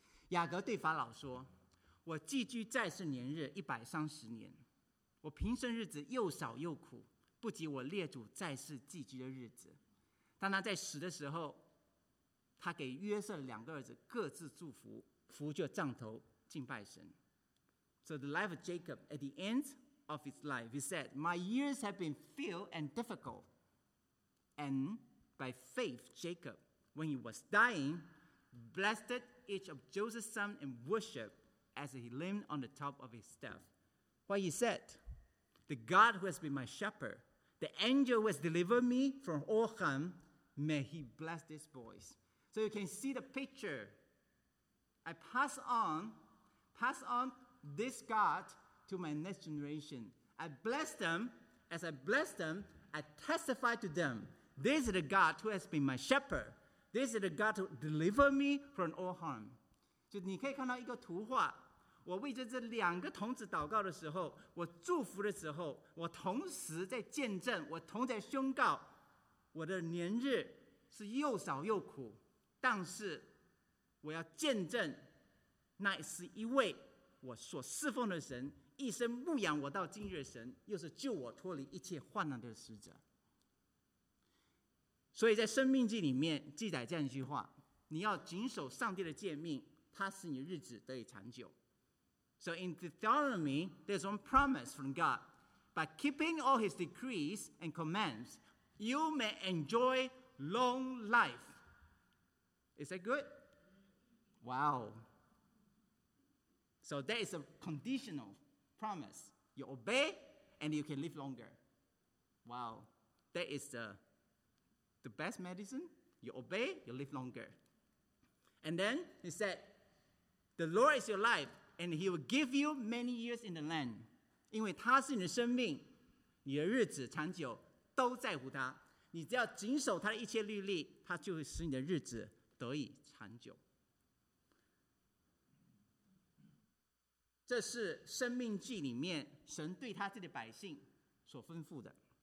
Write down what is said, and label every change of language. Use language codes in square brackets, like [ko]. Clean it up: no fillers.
[zh] 雅各对法老说，我寄居在世年日130年，我平生日子又少又苦，不及我列祖在世寄居的日子。当他在死的时候，他给约瑟两个儿子各自祝福，伏着杖头敬拜神。 [en] So the life of Jacob at the end of his life, he said, my years have been few and difficult. And by faith, Jacob, when he was dying, blessed each of Joseph's sons and worshiped as he leaned on the top of his staff. What he said, the God who has been my shepherd, the angel who has delivered me from all harm, may he bless these boys. So you can see the picture. I pass on this God to my next generation. I bless them. As I bless them, I testify to them. This is the God who has been my shepherd. This is the God who delivered me from all harm. [zh] 就你可以看到一个图画，我为着这两个童子祷告的时候，我祝福的时候，我同时在见证，我同在宣告，我的年日是又少又苦，但是我要见证，乃是一位我所侍奉的神，一生牧养我到今日的神，又是救我脱离一切患难的使者。所以在生命记里面记载这样一句话，你要谨守上帝的诫命，他使你日子得以长久。 [en] So in Deuteronomy, there's one promise from God. By keeping all his decrees and commands, you may enjoy long life. Is that good? Wow. So that is a conditional promise. You obey and you can live longer. Wow. That is the best medicine. You obey, you live longer. And then he said, the Lord is your life and he will give you many years in the land. [zh] 因为他是你的生命，你的日子长久都在乎他。你只要谨守他的一切律例，他就会使你的日子得以长久。这是生命记里面神对他自己的百姓所吩咐的。